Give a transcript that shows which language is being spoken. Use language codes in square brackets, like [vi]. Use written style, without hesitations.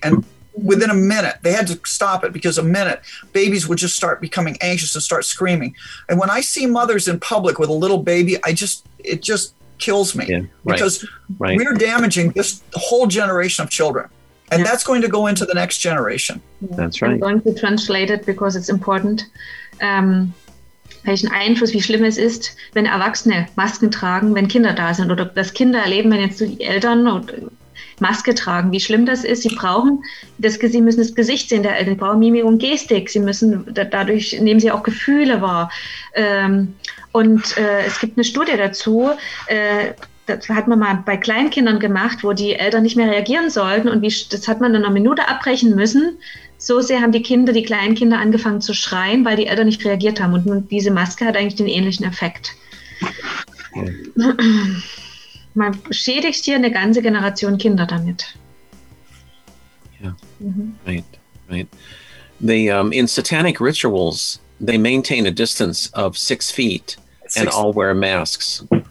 [en] And within a minute, they had to stop it because a minute, babies would just start becoming anxious and start screaming. And when I see mothers in public with a little baby, it just kills me because we're damaging this whole generation of children. And that's going to go into the next generation. That's right. I'm going to translate it because it's important. [de] Welchen Einfluss, wie schlimm es ist, wenn Erwachsene Masken tragen, wenn Kinder da sind, oder das Kinder erleben, wenn jetzt die Eltern Maske tragen, wie schlimm das ist. Sie müssen das Gesicht sehen der Eltern, sie brauchen Mimik und Gestik. Sie müssen, dadurch nehmen sie auch Gefühle wahr. Es gibt eine Studie dazu, das hat man mal bei Kleinkindern gemacht, wo die Eltern nicht mehr reagieren sollten. Und das hat man in einer Minute abbrechen müssen. So sehr haben die Kleinkinder angefangen zu schreien, weil die Eltern nicht reagiert haben. Und nun, diese Maske hat eigentlich den ähnlichen Effekt. Ja. Man schädigt hier eine ganze Generation Kinder damit. Ja, right. [en] In satanic rituals, they maintain a distance of 6 feet and all wear masks.